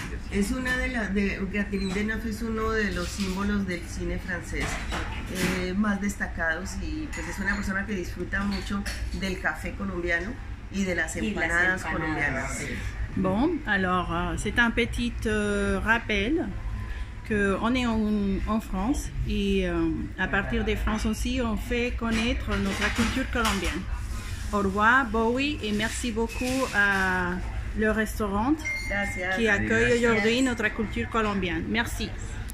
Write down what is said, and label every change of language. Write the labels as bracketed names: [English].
[Spanish] Es una de las de Catherine Deneuve, es uno de los símbolos del cine francés más destacados y pues es una persona que disfruta mucho del café colombiano y de las empanadas colombianas. [French] Bon, alors c'est un petit rappel que on est en France et à partir de France aussi on fait connaître notre culture colombienne. Au revoir, Bowie et merci beaucoup à le restaurant. [Spanish] Gracias. Que acoge hoy nuestra cultura colombiana. Gracias.